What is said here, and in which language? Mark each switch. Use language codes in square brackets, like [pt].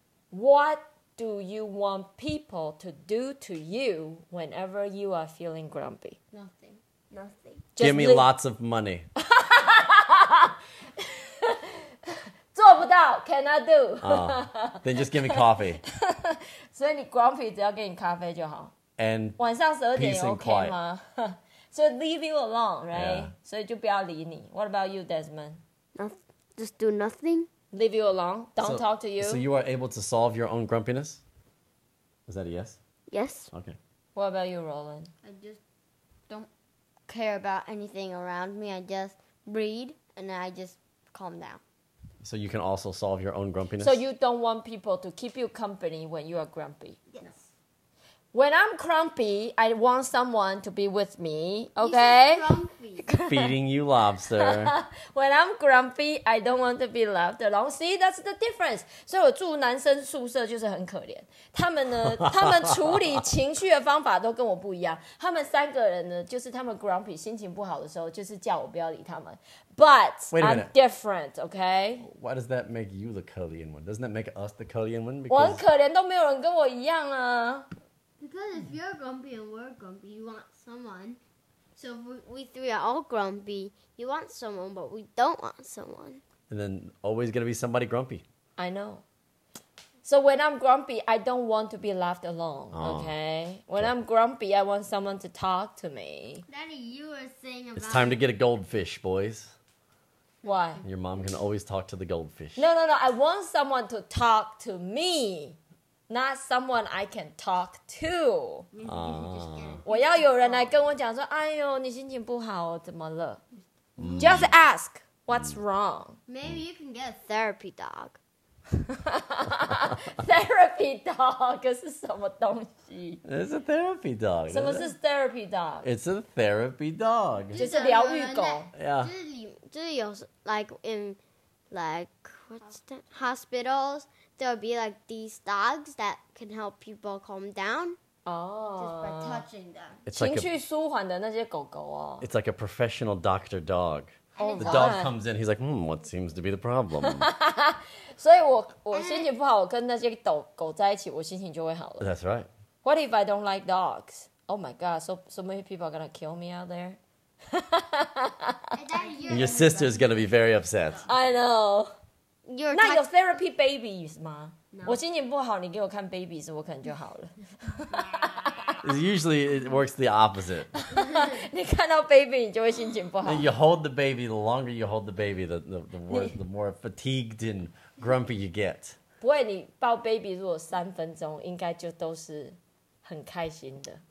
[en] What do you want people to do to you whenever you are feeling grumpy? Nothing. Give me lots of money. [zh] 做不到, [en] cannot do. Then just give me coffee. [zh] 所以你 grumpy 只要给你咖啡就好。 [en] And [zh] 晚上12点 OK 吗? [en] So leave you alone, right? Yeah. [zh] 所以就不要理你。 [en] What about you, Desmond? Just do nothing. Leave you alone. Don't talk to you. So you are able to solve your own grumpiness? Is that a yes? Yes. Okay. What about you, Roland? I just don't care about anything around me. I just breathe and I just calm down. So you can also solve your own grumpiness? So you don't want people to keep you company when you are grumpy? Yes. When I'm grumpy, I want someone to be with me, okay? Feeding you lobster. When I'm grumpy, I don't want to be left alone. See, that's the difference. [zh] 所以我住男生宿舍就是很可怜。他们呢，他们处理情绪的方法都跟我不一样。他们三个人呢，就是他们 grumpy, 心情不好的时候，就是叫我不要理他们。 [en] But I'm different, okay? Why does that make you the Korean one? Doesn't that make us the Korean one? [zh] Because... 我很可怜，都没有人跟我一样啊。 [en] Because if you're grumpy and we're grumpy, you want someone. So if we three are all grumpy, you want someone, but we don't want someone. And then always going to be somebody grumpy. I know. So when I'm grumpy, I don't want to be left alone, okay? When I'm grumpy, I want someone to talk to me. Daddy, you were saying about... It's time to get a goldfish, boys. Why? Your mom can always talk to the goldfish. No, no, no. I want someone to talk to me, not someone I can talk to. [zh] 我要有人来跟我讲说，哎呦，你心情不好，怎么了？ [en] Just ask, what's wrong? Maybe you can get a therapy dog. [zh] Therapy dog 是什么东西？ [en] It's a therapy dog. [zh] 什么是 therapy dog? [en] It's a therapy dog. [zh] 就是疗愈狗。 [en] Yeah. [zh] 就是有 [en] like in like what's that? Hospitals, there'll be like these dogs that can help people calm down. Just by touching them. [zh] 情绪舒缓的那些狗狗哦。 [en] It's like a professional doctor dog. Oh, the dog comes in, he's like, what seems to be the problem? [zh] 所以我心情不好，我跟那些狗在一起，我心情就会好了。 [en] That's right. What if I don't like dogs? Oh my god, so many people are gonna kill me out there. Your sister's gonna be very upset. I know. You're not your therapy babies, ma. [zh] No. 我心情不好，你给我看 babies， 我可能就好了。 [en] Usually it works the opposite. [zh] 你看到 baby， 你就会心情不好。 [en] And you hold the baby, the longer you hold the baby, the more fatigued and grumpy you get. [zh] 不会，你抱 baby 如果三分钟，应该就都是很开心的。